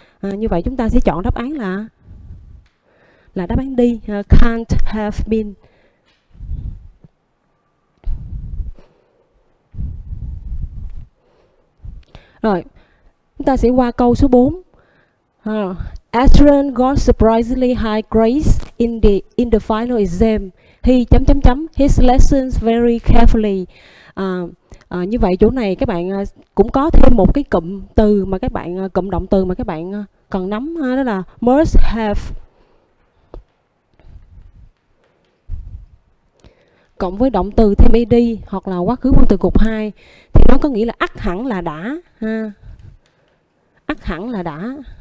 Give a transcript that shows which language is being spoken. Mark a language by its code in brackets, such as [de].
[vi] À, như vậy chúng ta sẽ chọn đáp án là đáp án đi, [en] can't have been. [vi] Rồi, chúng ta sẽ qua câu số 4. [en] Aaron got surprisingly high grades in the final exam. He [vi] chấm chấm chấm [en] his lessons very carefully. [vi] Như vậy chỗ này các bạn cũng có thêm một cái cụm từ mà các bạn cụm động từ mà các bạn cần nắm ha, đó là [en] must have [vi] cộng với động từ thêm ed hoặc là quá khứ phân từ cục 2 thì nó có nghĩa là ắt hẳn là đã ha. Ắt hẳn là đã.